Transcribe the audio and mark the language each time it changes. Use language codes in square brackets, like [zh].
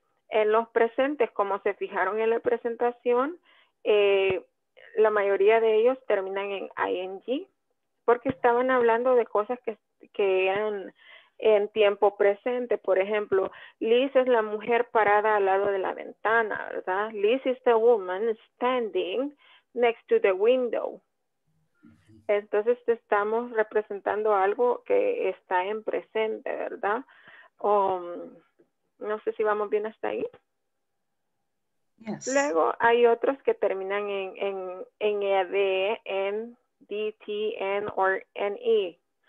[es] En los presentes, como se fijaron en la presentación, la mayoría de ellos terminan en ing, porque estaban hablando de cosas que eran en tiempo presente. Por ejemplo, Liz es la mujer parada al lado de la ventana, ¿verdad? [en] Liz is the woman standing next to the window. [es] Entonces, te estamos representando algo que está en presente, ¿verdad? No sé si vamos bien hasta ahí. [en] Yes. [es] Luego, hay otros que terminan en ed, en dt, n, o ne.